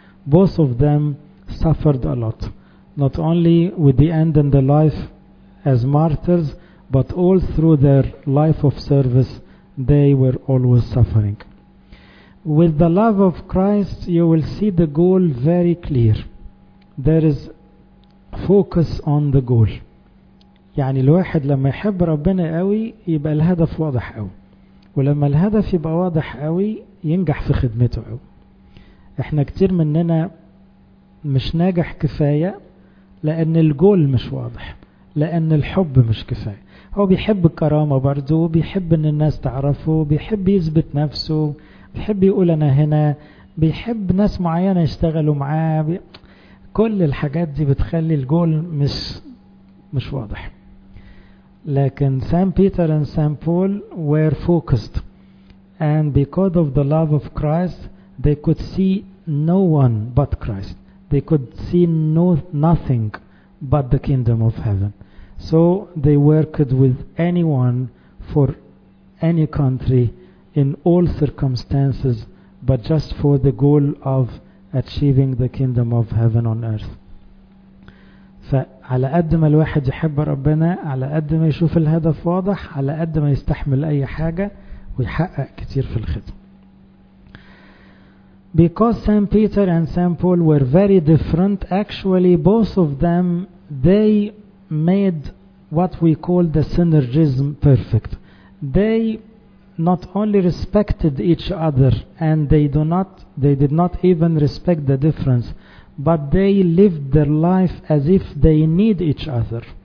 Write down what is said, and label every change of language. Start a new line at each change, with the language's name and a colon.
English: Both of them suffered a lot, not only with the end in the life as martyrs, but all through their life of service, they were always suffering. With the love of Christ, you will see the goal very clear. There is focus on the goal.
Arabic: يعني الواحد لما يحب ربنا قوي يبقى الهدف واضح قوي. ولما الهدف يبقى واضح قوي ينجح في خدمته قوي. احنا كتير مننا مش ناجح كفاية لان الجول مش واضح. لان الحب مش كفاية. هو بيحب الكرامة برضو، بيحب ان الناس تعرفه، بيحب يثبت نفسه، بيحب يقول انا هنا، بيحب ناس معينة يشتغلوا معاه، كل الحاجات دي بتخلي الجول مش واضح.
English: لكن سان Peter and سان Paul were focused, and because of the love of Christ they could see no one but Christ, they could see nothing but the kingdom of heaven. So they worked with anyone for any country in all circumstances, but just for the goal of achieving the kingdom of heaven on earth.
Arabic: فعلى قد ما الواحد يحب ربنا، على قد ما يشوف الهدف واضح، على قد ما يستحمل أي حاجة ويحقق كتير في الخدمة.
English: Because Saint Peter and Saint Paul were very different, actually both of them, they made what we call the synergism perfect. They not only respected each other, and they did not even respect the difference, but they lived their life as if they need each other.